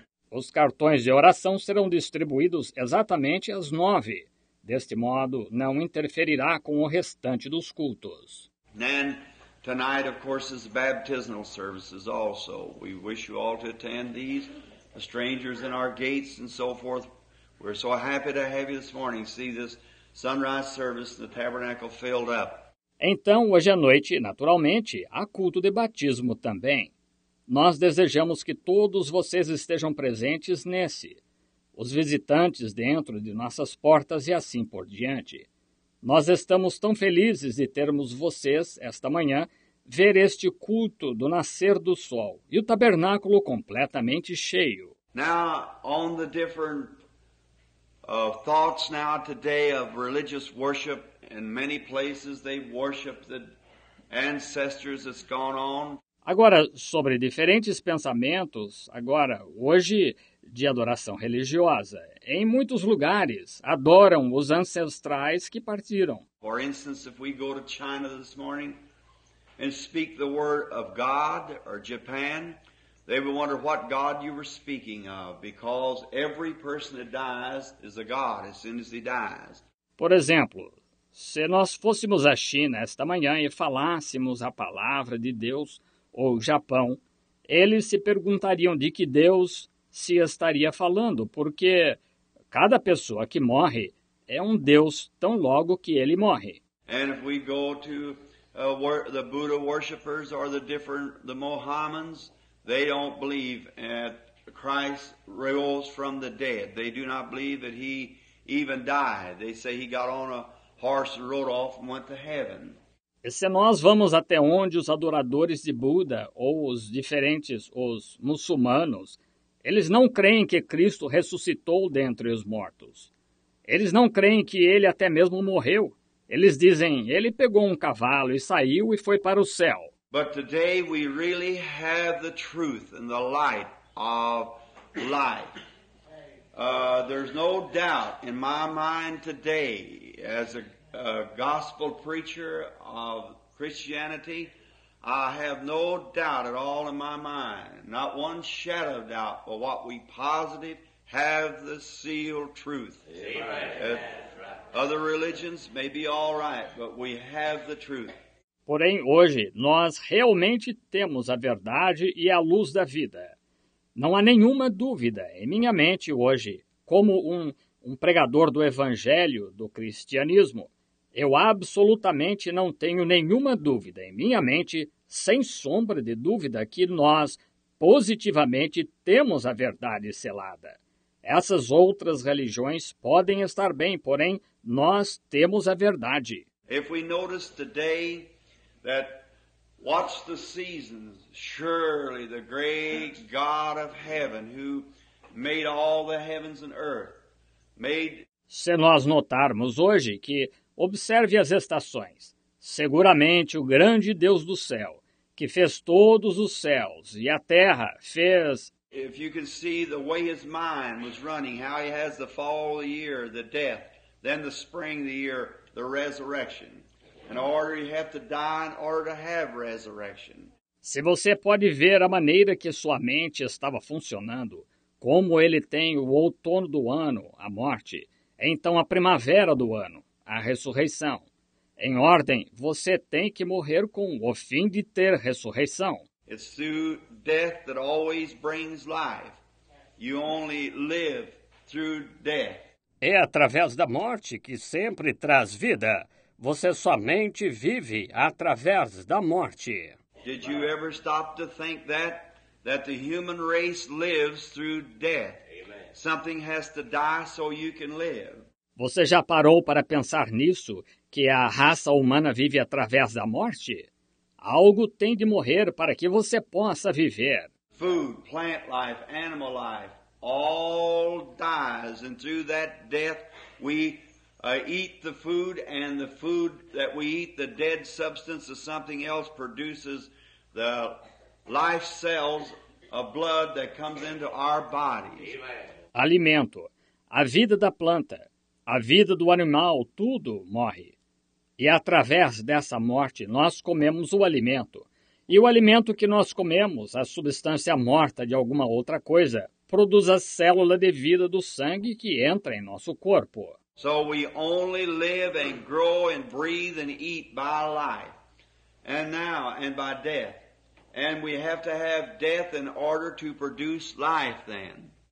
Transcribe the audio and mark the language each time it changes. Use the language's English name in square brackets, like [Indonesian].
[Portuguese] Os cartões de oração serão distribuídos exatamente às 9. Deste modo, não interferirá com o restante dos cultos. [English] Then, tonight, of course, is baptismal services also. We wish you all to attend these, the strangers in our gates and so forth. We're so happy to have you this morning. See this sunrise service, the tabernacle filled up. [Portuguese] Então, hoje à noite, naturalmente, há culto de batismo também. Nós desejamos que todos vocês estejam presentes nesse. Os visitantes dentro de nossas portas e assim por diante. Nós estamos tão felizes de termos vocês, esta manhã, ver este culto do nascer do sol e o tabernáculo completamente cheio. [English] Now, on the different thoughts now today of religious worship, in many places they worship the ancestors that's gone on. [Portuguese] Agora, sobre diferentes pensamentos, agora, hoje, de adoração religiosa. Em muitos lugares, adoram os ancestrais que partiram. [English] For instance, if we go to China this morning, and speak the word of God or Japan, they would wonder what God you were speaking of, because every person that dies is a god as soon as he dies. [Portuguese] Por exemplo, se nós fôssemos à China esta manhã e falássemos a palavra de Deus, ou Japão, eles se perguntariam de que Deus se estaria falando, porque cada pessoa que morre é um Deus tão logo que ele morre. [English] And if we go to the Buddha worshippers or the Mohammedans, they don't believe that Christ rose from the dead. They do not believe that he even died. They say he got on a horse and rode off and went to heaven. [Portuguese] E se nós vamos até onde os adoradores de Buda ou os diferentes, os muçulmanos, eles não creem que Cristo ressuscitou dentre os mortos. Eles não creem que ele até mesmo morreu. Eles dizem, ele pegou um cavalo e saiu e foi para o céu. [English] But today we really have the truth and the light of life. There's no doubt in my mind today, as a gospel preacher of Christianity, I have no doubt at all in my mind, not one shadow of doubt, but what we positive have the sealed truth. Amen. Other religions may be all right, but we have the truth. [Portuguese] Porém, hoje, nós realmente temos a verdade e a luz da vida. Não há nenhuma dúvida em minha mente hoje, como um pregador do evangelho, do cristianismo, eu absolutamente não tenho nenhuma dúvida em minha mente, sem sombra de dúvida, que nós positivamente temos a verdade selada. Essas outras religiões podem estar bem, porém, nós temos a verdade. [English] If we notice today that watch the seasons, surely the great God of heaven who made all the heavens and earth made... [Portuguese] Se nós notarmos hoje que observe as estações, seguramente o grande Deus do céu, que fez todos os céus e a terra, fez... [English] If you can see the way his mind was running, how he has the fall of the year, the death, then the spring of the year, the resurrection. In order you have to die in order to have resurrection. [Portuguese] Se você pode ver a maneira que sua mente estava funcionando, como ele tem o outono do ano, a morte, então a primavera do ano, a ressurreição. Em ordem, você tem que morrer com o fim de ter ressurreição. [English] It's through death that always brings life. You only live through death. [Portuguese] É através da morte que sempre traz vida. Você somente vive através da morte. [English] Did you ever stop to think that the human race lives through death? Amen. Something has to die so you can live. [Portuguese] Você já parou para pensar nisso, que a raça humana vive através da morte? Algo tem de morrer para que você possa viver. [English] Food, plant life, animal life, all dies, and through that death we eat the food, and the food that we eat, the dead substance of something else, produces the life cells of blood that comes into our bodies. Amen. [Portuguese] Alimento, a vida da planta, a vida do animal, tudo morre. E através dessa morte, nós comemos o alimento. E o alimento que nós comemos, a substância morta de alguma outra coisa, produz a célula de vida do sangue que entra em nosso corpo. [English] So we only live and grow and breathe and eat by life, and now and by death. And we have to have death in order to produce life then.